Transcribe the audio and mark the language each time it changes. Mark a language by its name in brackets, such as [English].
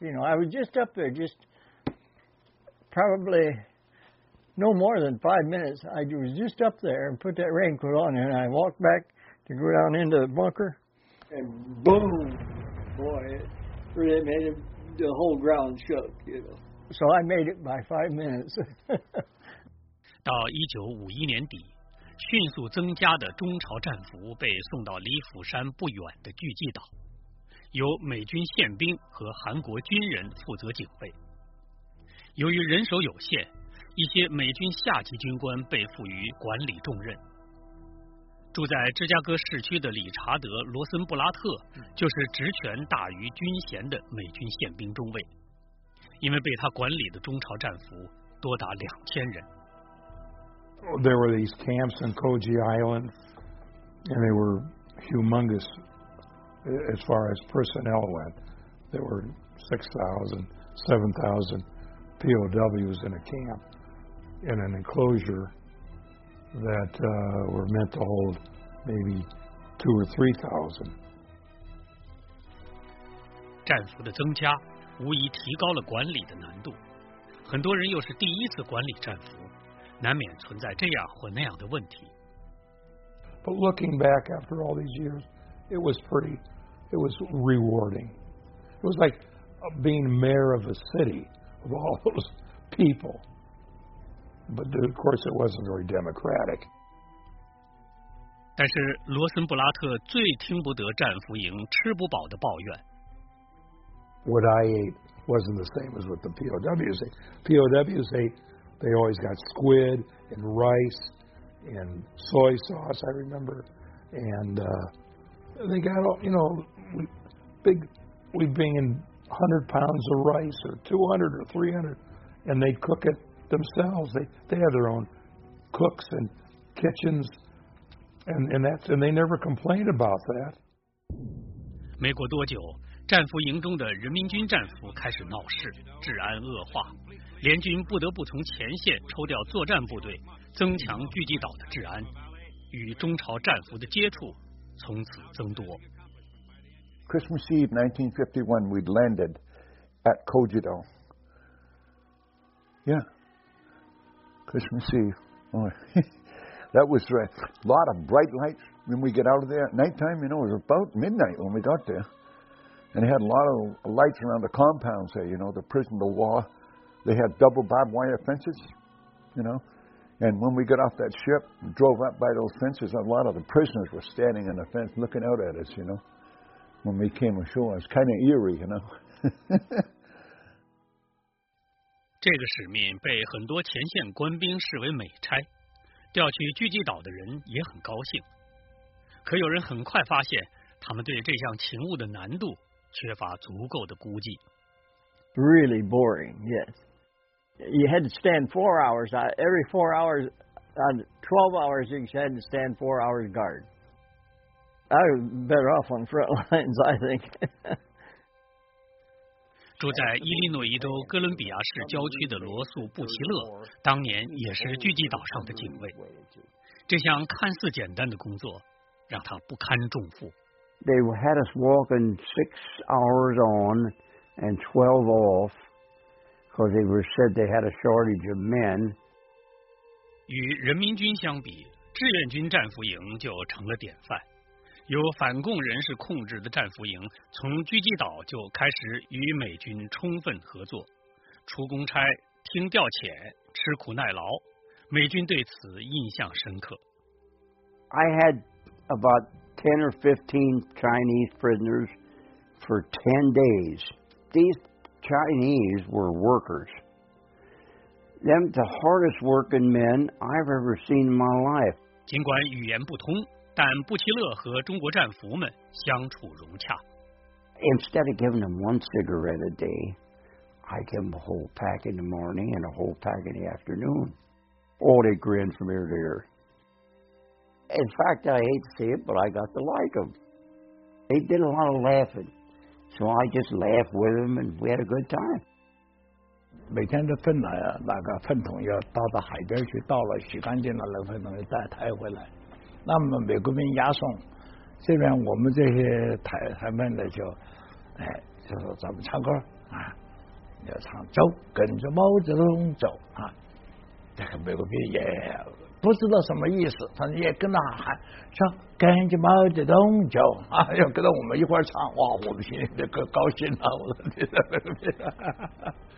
[English] You know, I was just up there, just probably no more than 5 minutes. I was just up there and put that raincoat on, and I walked back to go down into the bunker, and boom, boy, it really made the whole ground shook, you know. So I made it by 5 minutes. [Chinese] 到1951年底，迅速增加的中朝战俘被送到离釜山不远的巨济岛，由美军宪兵和韩国军人负责警备。由于人手有限，一些美军下级军官被赋予管理重任。住在芝加哥市区的理查德·罗森布拉特就是职权大于军衔的美军宪兵中尉，因为被他管理的中朝战俘多达2000人。 [English] There were these camps on Koji Island, and they were humongous as far as personnel went. There were 6,000, 7,000 POWs in a camp, in an enclosure that were meant to hold maybe 2,000 or 3,000. [Chinese] 战俘的增加无疑提高了管理的难度，很多人又是第一次管理战俘，难免存在这样或那样的问题。 [English] But looking back after all these years, it was pretty, it was rewarding. It was like being mayor of a city of all those people. But of course, it wasn't very democratic. [Chinese] 但是罗森布拉特最听不得战俘营吃不饱的抱怨。 [English] What I ate wasn't the same as what the POWs ate. POWs ate, they always got squid and rice and soy sauce, I remember. And they got all, you know, big, we'd bring in 100 pounds of rice or 200 or 300, and they'd cook it themselves. They had their own cooks and kitchens, and they never complained about that. [Chinese] 没过多久，战俘营中的人民军战俘开始闹事，治安恶化，联军不得不从前线抽调作战部队，增强巨济岛的治安，与中朝战俘的接触从此增多。 [English] Christmas Eve 1951, we'd landed at Kojido. Yeah, Christmas Eve. Oh, that was a lot of bright lights when we get out of there at nighttime. You know, it was about midnight when we got there. And they had a lot of lights around the compounds there, you know, the prison, the wall. They had double barbed wire fences, you know. And when we got off that ship, drove up by those fences, a lot of the prisoners were standing on the fence looking out at us, you know. When we came ashore, it was kind of eerie, you know. [Chinese] 这个使命被很多前线官兵视为美差，调去巨济岛的人也很高兴。可有人很快发现，他们对这项勤务的难度缺乏足够的估计。 [English] Really boring, yes. You had to stand 4 hours. Every 4 hours, on 12 hours, you had to stand 4 hours guard. I was better off on front lines, I think. [Chinese] 住在伊利诺伊州哥伦比亚市郊区的罗素·布奇勒，当年也是巨济岛上的警卫。这项看似简单的工作，让他不堪重负。 [English] They had us walking 6 hours on and 12 off because they were said they had a shortage of men. [Chinese] 与人民军相比，志愿军战俘营就成了典范。由反共人士控制的战俘营，从巨济岛就开始与美军充分合作，出公差、听调遣、吃苦耐劳，美军对此印象深刻。 [English] I had about 10 or 15 Chinese prisoners for 10 days. These Chinese were workers. Them the hardest working men I've ever seen in my life. [Chinese] 尽管语言不通，但布奇勒和中国战俘们相处融洽。 [English] Instead of giving them one cigarette a day, I give them a whole pack in the morning and a whole pack in the afternoon. Oh, they grin from ear to ear. In fact, I hate to say it, but I got to like them. They did a lot of laughing. So I just laughed with them, and we had a good time. [Chinese] 每天的粪呢，那个粪桶要倒到海边去倒了，洗干净了，然后呢再抬回来。那么美国兵押送，虽然我们这些台湾的就，哎，就是咱们唱歌啊，要唱走，跟着毛泽东走啊。这个美国兵也不知道什么意思，他也跟着喊唱跟着毛泽东走啊，要跟着我们一块唱，哇，我们心里就可高兴了，我的天，美国兵。